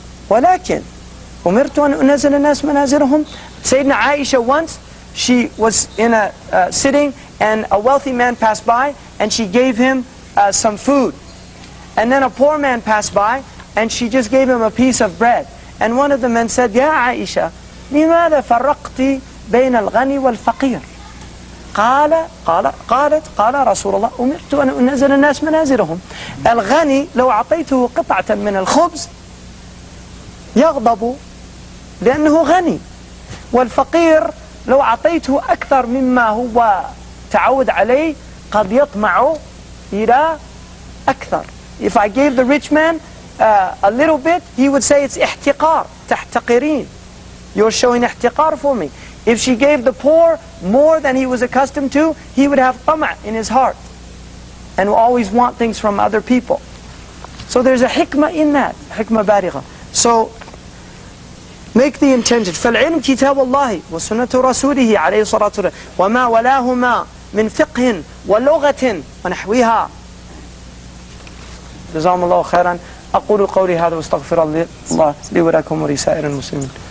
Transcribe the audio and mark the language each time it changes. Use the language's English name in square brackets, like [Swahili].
[Arabic] ولكن أمرت أن أنزل الناس منازلهم. [English] سيدنا عائشة once, she was in a sitting and a wealthy man passed by and she gave him some food. And then a poor man passed by and she just gave him a piece of bread. And one of the men said, [Arabic] يا عائشة, لماذا فرقتي بين الغني والفقير؟ قال رسول الله, أمرت أن أنزل الناس منازلهم. الغني لو أعطيته قطعة من الخبز يغضب لأنه غني. والفقير لو أعطيته أكثر مما هو تعود عليه قد يطمع إلى أكثر. [English] If I gave the rich man a little bit, he would say it's [Arabic] احتقار, تحتقرين. [English] You're showing احتقار for me. If she gave the poor more than he was accustomed to, he would have طمع in his heart and will always want things from other people. So there's a حكمة in that, [Arabic] حكمة بارغة. [English] So make the intention. [Arabic] فالعلم كتاب الله وسنة رسوله عليه الصلاة والسلام وما ولاهما من فقه ولغة ونحوها. جزاهم الله خيرا. أقول قولي هذا واستغفر الله لي ولكم ولسائر المسلمين.